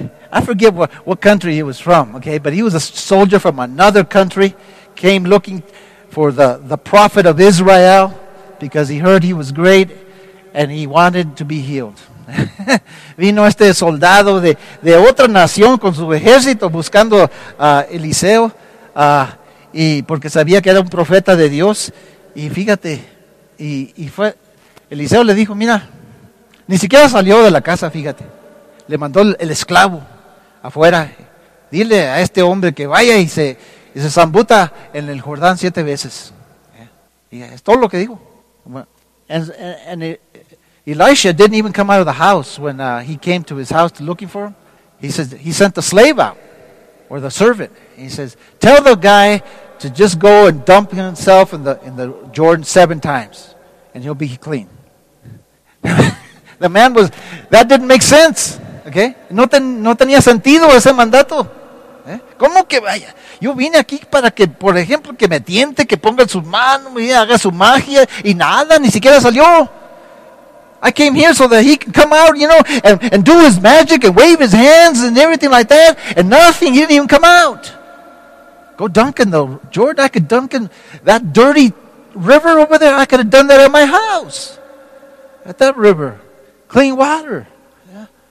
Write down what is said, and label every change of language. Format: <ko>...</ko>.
<en>I forget what country he was from, okay? But he was a soldier from another country, came looking for the prophet of Israel because he heard he was great and he wanted to be healed.</en> <es>Vino este soldado de otra nación con su ejército buscando a Eliseo y porque sabía que era un profeta de Dios. Y fíjate, y fue... Eliseo le dijo, mira, ni siquiera salió de la casa, fíjate. Le mandó el esclavo afuera. Dile a este hombre que vaya y se zambuta en el Jordán 7 veces. Yeah. Y es todo lo que dijo.</es> <en>And Elisha didn't even come out of the house when he came to his house looking for him. He sent the slave out, or the servant. He says, tell the guy to just go and dump himself in the Jordan 7 times, and he'll be clean. That didn't make sense. Okay?</en> <es>No tenía sentido ese mandato. ¿Eh? ¿Cómo que vaya? Yo vine aquí para que, por ejemplo, que me tiente, que ponga su mano y haga su magia y nada, ni siquiera salió.</es> <en>I came here so that he can come out, you know, and do his magic and wave his hands and everything like that, and nothing, he didn't even come out. Go dunk in the Jordan. I could dunk in that dirty river over there. I could have done that at my house. At that river. Clean water. Yeah.</en>